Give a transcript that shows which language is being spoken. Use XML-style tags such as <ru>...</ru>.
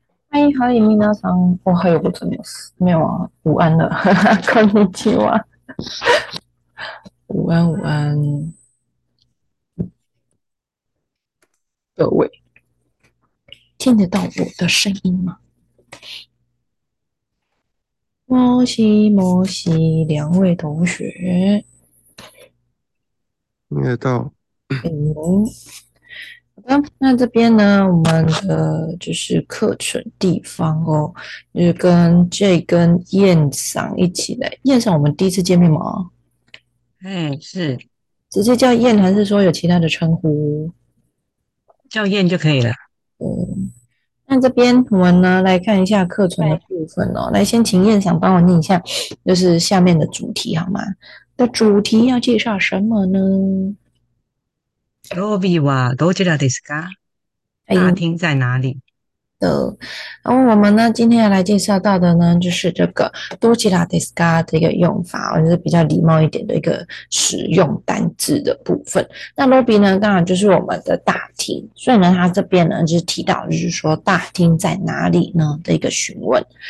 <ja>嗨嗨，みなさん、おはようございます。</ja> <zh>没有啊，午安了，</zh> <ja>こんにちは。</ja> <zh>午安，午安，各位，听得到我的声音吗？摩西，摩西，两位同学，听得到。那这边呢，我们的就是课程地方哦，就是跟 J 跟燕赏一起来。燕赏，我们第一次见面吗？是，直接叫燕，还是说有其他的称呼？校验就可以了。那这边我们呢，来看一下课程的部分哦。来，先请燕赏帮我念一下，就是下面的主题好吗？的主题要介绍什么呢？</zh> <ja>ロビーはどちらですか？</ja> <zh>大的，厅在哪里？然后我们呢，今天要来介绍到的呢，就是这个どちらですか这个用法，就是比较礼貌一点的一个使用单字的部分。那 lobby 呢，当然就是我们的大厅，所以呢，它这边呢，就是提到就是说大厅在哪里呢的一个询问。</zh>